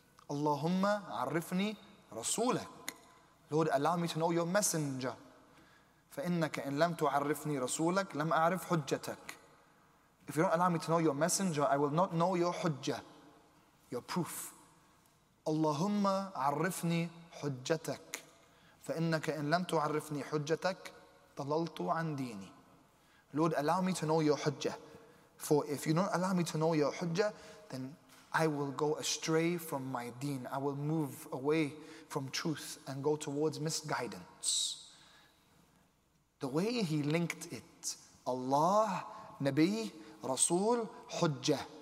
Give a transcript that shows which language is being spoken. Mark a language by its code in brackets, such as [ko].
[ar] Allahumma arifni rasulak. [en] Lord, allow me to know your messenger. [ar] فَإِنَّكَ إِن لَمْ تُعَرِّفْنِي رَسُولَكْ لَمْ أَعْرِفْ حُجَّتَكْ. [en] If you don't allow me to know your messenger, I will not know your hujjah, your proof. [ar] اللهم عرفني حجتك فإنك إن لم تعرفني حجتك ضللت عن ديني. [en] Lord, allow me to know your hujjah. For if you don't allow me to know your hujjah, then I will go astray from my deen. I will move away from truth and go towards misguidance. The way he linked it, Allah, Nabi, Rasul, hujjah.